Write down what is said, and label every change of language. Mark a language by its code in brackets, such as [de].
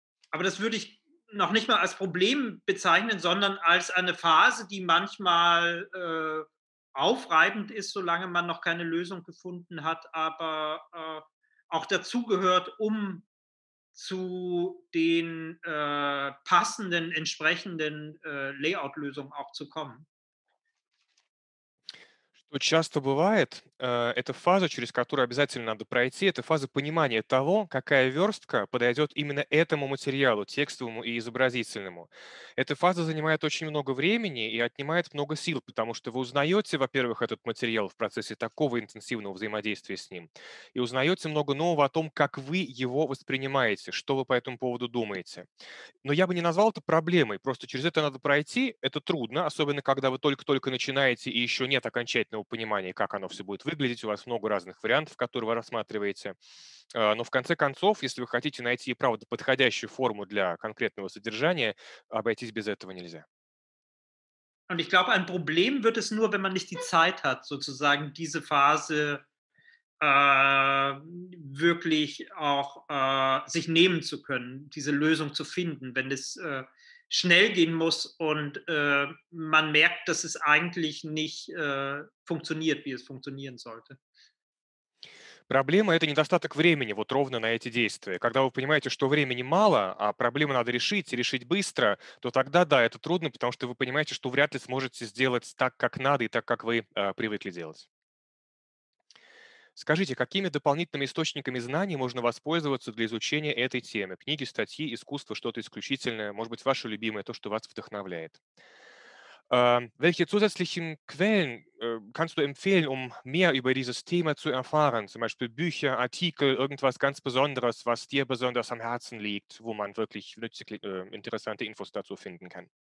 [de] Aber das würde ich noch nicht mal als Problem bezeichnen, sondern als eine Phase, die manchmal aufreibend ist, solange man noch keine Lösung gefunden hat, aber auch dazugehört, um zu den passenden, entsprechenden Layout-Lösungen auch zu kommen. [ru] Что часто бывает, это фаза, через которую обязательно надо пройти, это фаза понимания того, какая верстка подойдет именно этому материалу, текстовому и изобразительному. Эта фаза занимает очень много времени и отнимает много сил, потому что вы узнаете, во-первых, этот материал в процессе такого интенсивного взаимодействия с ним, и узнаете много нового о том, как вы его воспринимаете, что вы по этому поводу думаете. Но я бы не назвал это проблемой, просто через это надо пройти, это трудно, особенно когда вы только-только начинаете и еще нет окончательного понимания, как оно все будет выглядеть. У вас много разных вариантов, которые вы рассматриваете. Но в конце концов, если вы хотите найти, правда, подходящую форму для конкретного содержания, обойтись без этого нельзя. [de] Und ich glaube, ein Problem wird es nur, wenn man nicht die Zeit hat, sozusagen diese Phase wirklich auch sich nehmen zu können, diese Lösung zu finden, wenn es schnell gehen muss und man merkt, dass es eigentlich nicht funktioniert, wie es funktionieren sollte. [ru] Проблема – это недостаток времени вот ровно на эти действия. Когда вы понимаете, что времени мало, а проблему надо решить, решить быстро, то тогда, да, это трудно, потому что вы понимаете, что вряд ли сможете сделать так, как надо и так, как вы привыкли делать. Скажите, какими дополнительными источниками знаний можно воспользоваться для изучения этой темы? Книги, статьи, искусство, что-то исключительное, может быть, ваше любимое, то, что вас вдохновляет. [de] Welche zusätzlichen Quellen kannst du empfehlen, um mehr über dieses Thema zu erfahren? Zum Beispiel Bücher, Artikel, irgendwas ganz Besonderes, was dir besonders am Herzen liegt, wo man wirklich nützliche, interessante Infos dazu finden kann?